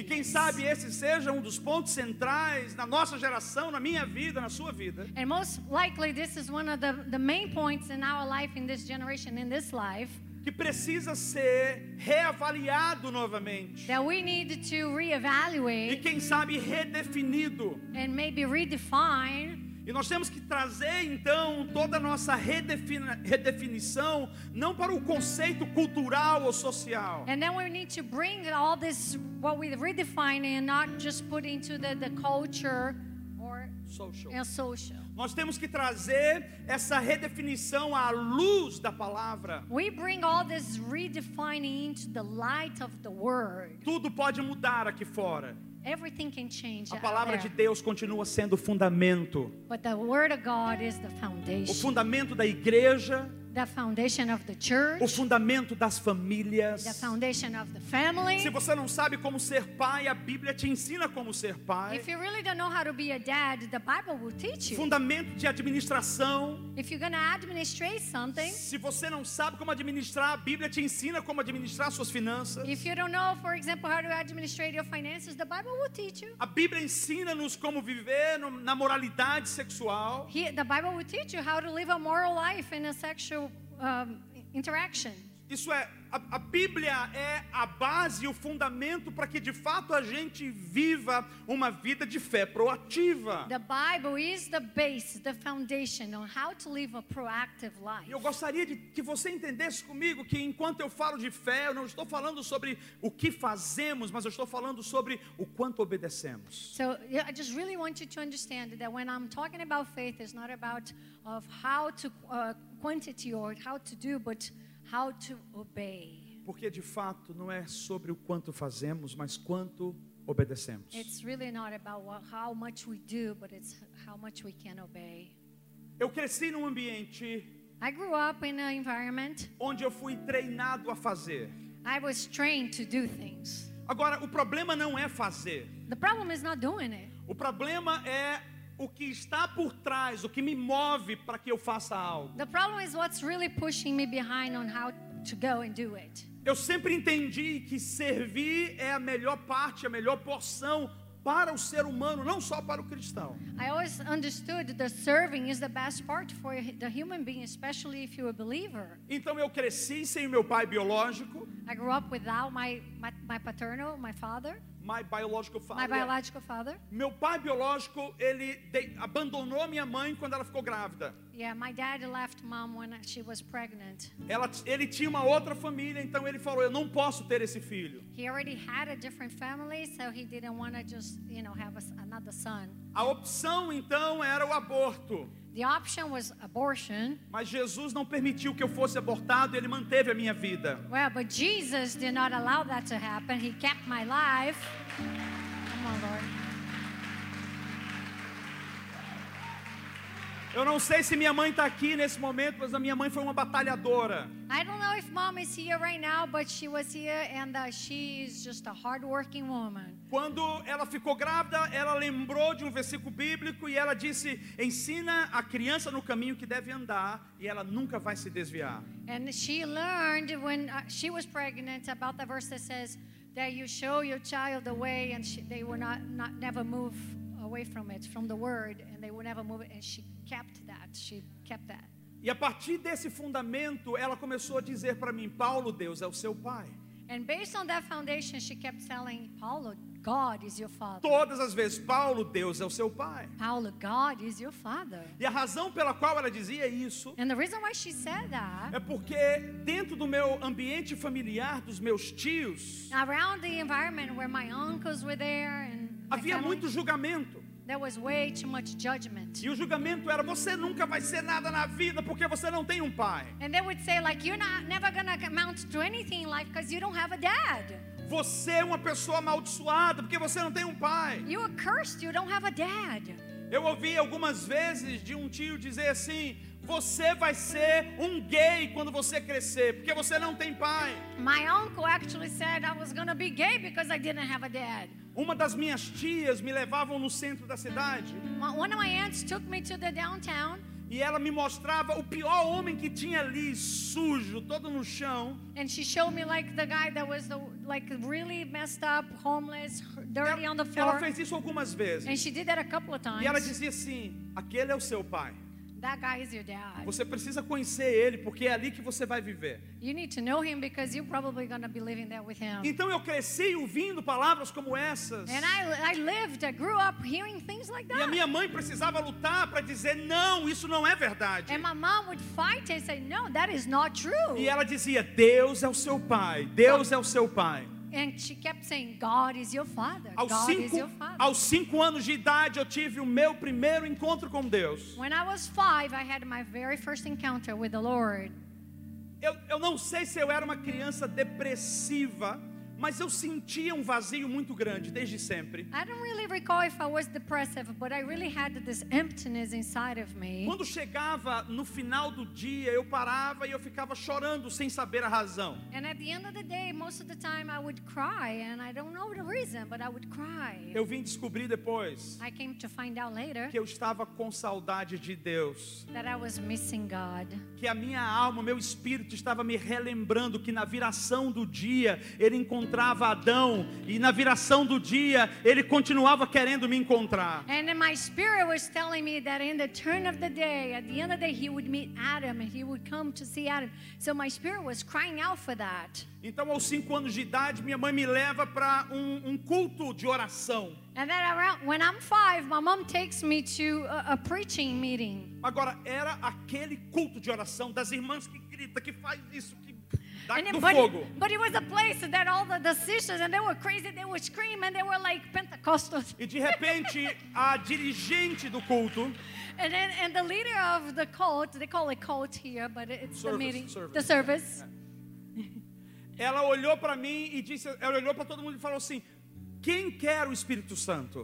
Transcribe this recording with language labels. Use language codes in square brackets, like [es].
[pt] E quem sabe esse seja um dos pontos centrais na nossa geração, na minha vida, na sua vida. [en] And most likely this is one of the main points in our life, in this generation, in this life. [pt] Que precisa ser reavaliado novamente. [en] That we need to reevaluate. [pt] E quem sabe redefinido. [en] And maybe redefine. [pt] E nós temos que trazer então toda a nossa redefinição, não para o conceito cultural ou social. [en] And then we need to bring all this, what we redefine, and not just put into the culture or social. And social. [pt] Nós temos que trazer essa redefinição à luz da palavra. [en] We bring all this redefining into the light of the word. [pt] Tudo pode mudar aqui fora. [en] Everything can change. [pt] A palavra de Deus continua sendo o fundamento. [en] But the word of God is the foundation. [pt] O fundamento da igreja. [en] The foundation of the church. [pt] O fundamento das famílias. [en] The foundation of the family. [pt] Se você não sabe como ser pai, a Bíblia te ensina como ser pai. [en] If you really don't know how to be a dad, the Bible will teach you. [pt] Fundamento de administração. [en] If you're gonna administrate something. [pt] Se você não sabe como administrar, a Bíblia te ensina como administrar suas finanças. [en] If you don't know, for example, how to administrate your finances, the Bible will teach you. [pt] A Bíblia ensina-nos como viver na moralidade sexual. [en] The Bible will teach you how to live a moral life in a sexual interaction. [pt] Isso é, a Bíblia é a base, o fundamento para que de fato a gente viva uma vida de fé proativa. [en] The Bible is the base, the foundation on how to live a proactive life. [pt] Eu gostaria de que você entendesse comigo que enquanto eu falo de fé, eu não estou falando sobre o que fazemos, mas eu estou falando sobre o quanto obedecemos. [en] So I just really want you to understand that when I'm talking about faith, it's not about of how to quantity or how to do, but how to obey. [pt] Porque de fato não é sobre o quanto fazemos, mas quanto obedecemos. [en] It's really not about how much we do, but it's how much we can obey. [pt] Eu cresci num ambiente. [en] I grew up in an environment. [pt] Onde eu fui treinado a fazer. [en] I was trained to do things. [pt] Agora, o problema não é fazer. [en] The problem is not doing it. [pt] O problema é o que está por trás, o que me move para que eu faça algo. [en] The problem is what's really pushing me behind on how to go and do it. [pt] Eu sempre entendi que servir é a melhor parte, a melhor porção para o ser humano, não só para o cristão. [en] I always understood that serving is the best part for the human being, especially if you're a believer. [pt] Então eu cresci sem o meu pai biológico. [en] I grew up without my paternal, my father. My biological father. My biological father. [pt] Meu pai biológico, ele abandonou minha mãe quando ela ficou grávida. [en] Yeah, my dad left mom when she was pregnant. [pt] Ele tinha uma outra família, então ele falou, eu não posso ter esse filho. [en] He already had a different family, so he didn't want to just, you know, have another son. [pt] A opção então era o aborto. [en] The option was abortion. [pt] Mas Jesus não permitiu que eu fosse abortado, ele manteve a minha vida. [en] Well, but Jesus did not allow that to happen. He kept my life. Come on, Lord. [pt] Eu não sei se minha mãe está aqui nesse momento, mas a minha mãe foi uma batalhadora. [en] I don't know if mom is here right now, but she was here and she is just a hardworking woman. [pt] Quando ela ficou grávida, ela lembrou de um versículo bíblico e ela disse, ensina a criança no caminho que deve andar e ela nunca vai se desviar. [en] And she learned when she was pregnant about the verse that says that you show your child the way and they will not never move away from it, from the word, and they will never move it, and she kept that. She kept that. [pt] E a partir desse fundamento, ela começou a dizer para mim, Paulo, Deus é o seu pai. [en] And based on that foundation, she kept telling Paulo, God is your father. [pt] Todas as vezes, Paulo, Deus é o seu pai. [en] Paulo, God is your father. [pt] E a razão pela qual ela dizia isso, [en] and the reason why she said that, [pt] é porque dentro do meu ambiente familiar, dos meus tios, [en] around the environment where my uncles were there, and [pt] havia [en] family, [pt] muito julgamento. [en] There was way too much judgment. [pt] E o julgamento era: você nunca vai ser nada na vida porque você não tem um pai. [en] And they would say like, you're not never gonna amount to anything in life because you don't have a dad. [pt] Você é uma pessoa amaldiçoada porque você não tem um pai. [en] You are cursed, you don't have a dad. [pt] Eu ouvi algumas vezes de um tio dizer assim: você vai ser um gay quando você crescer, porque você não tem pai. [en] My uncle actually said I was gonna be gay because I didn't have a dad. [pt] Uma das minhas tias me levavam no centro da cidade. [en] One of my aunts took me to the downtown. [pt] E ela me mostrava o pior homem que tinha ali, sujo, todo no chão. [en] And she showed me like the guy that was the, like really messed up, homeless, dirty on the floor. [pt] Ela fez isso algumas vezes. [en] And she did that a couple of times. [pt] E ela dizia assim: aquele é o seu pai. [en] That guy is your dad. [pt] Você precisa conhecer ele porque é ali que você vai viver. [en] You need to know him because you're probably going to be living there with him. [pt] Então eu cresci ouvindo palavras como essas. [en] And I lived, I grew up hearing things like that. [pt] E a minha mãe precisava lutar para dizer: não, isso não é verdade. [en] And my mom would fight and say, no, that is not true. [pt] E ela dizia: Deus é o seu pai. Deus é o seu pai. [en] And she kept saying, God is your father. God [pt] cinco, [en] is your father. [pt] Aos 5 anos de idade eu tive o meu primeiro encontro com Deus. [en] When I was 5, I had my very first encounter with the Lord. [pt] Eu não sei se eu era uma criança depressiva, mas eu sentia um vazio muito grande desde sempre. [en] I don't really recall if I was depressive, but I really had this emptiness inside of me. [pt] Quando chegava no final do dia, eu parava e eu ficava chorando sem saber a razão. [en] And at the end of the day, most of the time I would cry, and I don't know the reason, but I would cry. [pt] Eu vim descobrir depois. [en] I came to find out later. [pt] Que eu estava com saudade de Deus. [en] That I was missing God. [pt] Que a minha alma, meu espírito estava me relembrando que na viração do dia ele encontrava Adão, e na viração do dia ele continuava querendo me encontrar. [en] And my spirit was telling me that in the turn of the day, at the end of the day, he would meet Adam and he would come to see Adam. So my spirit was crying out for that. [pt] Então, aos 5 anos de idade, minha mãe me leva para um culto de oração. [en] And then around, when I'm 5, my mom takes me to a preaching meeting. [pt] Agora era aquele culto de oração das irmãs que grita, que faz isso, que [en] But it was a place that all the sisters, and they were crazy, they would scream, and they were like Pentecostals. [pt] E de repente, a dirigente do culto, [en] and then and the leader of the cult, they call it cult here, but it's service, the meeting, service. The service. [pt] Ela olhou para mim e disse, ela olhou para todo mundo e falou assim: quem quer o Espírito Santo?